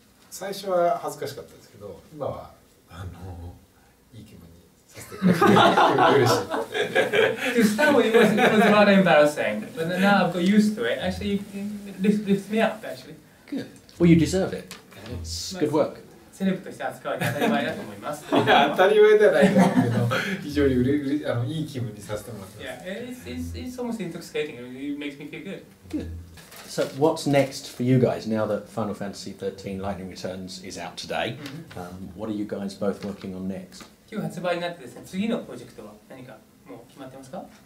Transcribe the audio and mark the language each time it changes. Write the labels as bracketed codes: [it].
[ja] 最初は恥ずかしかったですけど、今はいい気分にさせていただいて嬉しい。 [en] To start with, it was rather embarrassing, but then now I've got used to it. Actually, it lifts me up. Actually, good. Well, you deserve it. It's good work. [ja] セレブとして扱われて当たり前だと思います。いや、当たり前ではないと思うけど、非常にいい気分にさせてもらってます。 [en] Yeah, it's almost intoxicating. It makes me feel good. Good. So what's next for you guys now that Final Fantasy XIII Lightning Returns is out today? Mm-hmm. What are you guys both working on next? [ja] 今日発売になってですね、次のプロジェクトは何かもう決まってますか？